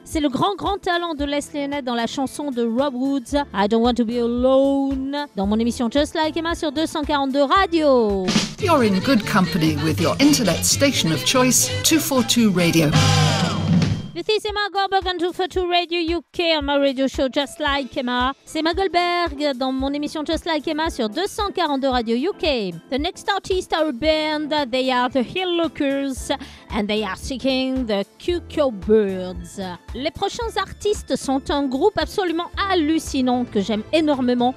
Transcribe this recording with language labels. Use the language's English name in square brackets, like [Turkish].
[French] C'est le grand talent de Leslie Annette dans la chanson de Rob Woods. I don't want to be alone dans mon émission Just Like Emma sur 242 Radio. [English] You're in good company with your internet station of choice, 242 Radio. This is Emma Goldberg on 242 Radio UK on my radio show Just Like Emma. [French] C'est Emma Goldberg dans mon émission Just Like Emma sur 242 Radio UK. [English] The next artist are a band, they are the Hill Lookers and they are singing the Cucurbirds. [French] Les prochains artistes sont un groupe absolument hallucinant que j'aime énormément.